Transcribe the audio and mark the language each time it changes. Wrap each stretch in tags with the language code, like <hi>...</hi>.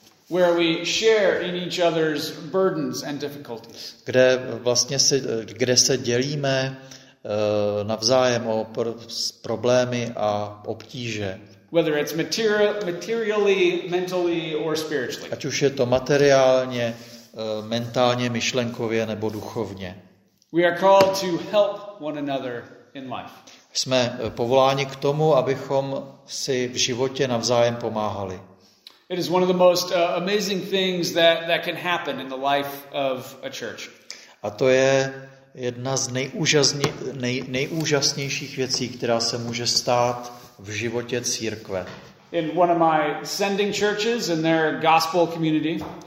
<en>Where we share in each other's burdens and difficulties.</en> <cs>Kde se dělíme navzájem o problémy a obtíže.</cs> <en>Whether it's materially, mentally or spiritually.</en> <cs>Ať už je to materiálně, mentálně, myšlenkově nebo duchovně.</cs> <en>We are called to help one another in life.</en> <cs>Jsme povoláni k tomu, abychom si v životě navzájem pomáhali.</cs> <en>It is one of the most amazing things that can happen in the life of a church.</en> <cs>A to je jedna z nejúžasnějších věcí, která se může stát v životě církve.</cs> <en>In one of my sending churches in their gospel community.</en>